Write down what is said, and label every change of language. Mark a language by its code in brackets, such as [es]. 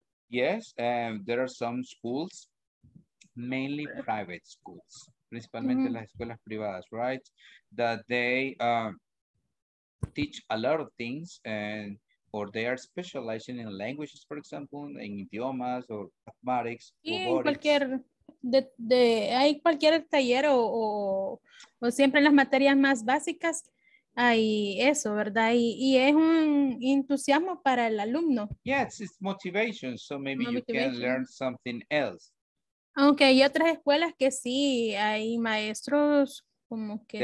[en] Yes, there are some schools, mainly private schools. [es] Principalmente las escuelas privadas, [en] right? That they teach a lot of things and or they are specializing in languages, for example, in idiomas or mathematics. [es] Sí, cualquier, hay cualquier taller o siempre en las materias más básicas hay eso, ¿verdad? Y es un entusiasmo para el alumno. [en] Yes, it's motivation, so maybe you can learn something else. [es] Aunque hay otras escuelas que sí, hay maestros como que...